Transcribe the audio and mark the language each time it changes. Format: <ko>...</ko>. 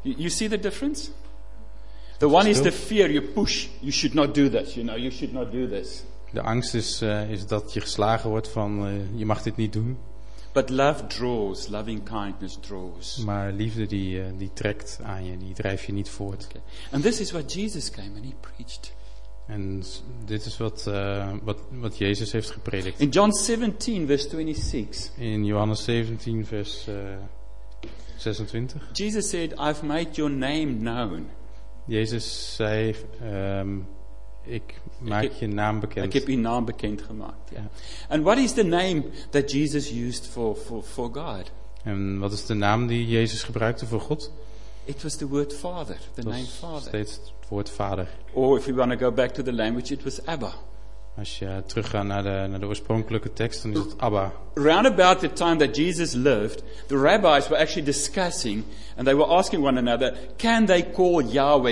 <en>You see the difference? The one is the fear you push. You should not do this. You know, you should not do this.</en> <nl>De angst is dat je geslagen wordt van je mag dit niet doen.</nl> <en>But love draws, loving kindness draws.</en> <nl>Maar liefde die trekt aan je, die drijft je niet voort.</nl> <en>Okay. And this is what Jesus came and he preached.</en> <nl>En dit is wat Jezus heeft gepredikt.</nl> <en>In John 17 verse 26.</en> <nl>In Johannes 17 vers 26.</nl> <en>Jesus said, I've made your name known.</en> <nl>Jezus zei ik maak je naam bekend. Ik heb je naam bekend gemaakt. Ja.</nl> <en>And what is the name that Jesus used for God?</en> <nl>En wat is de naam die Jezus gebruikte voor God?</nl> <en>It was the word Father, the name Father.</en> <nl>Steeds het woord Vader.</nl> <en>Or if we want to go back to the language, it was Abba.</en> <nl>Als je teruggaat naar de oorspronkelijke tekst, dan is het Abba.</nl> <en>Round about the time that Jesus lived, the rabbis were actually discussing and they were asking one another, can they call Yahweh?</en>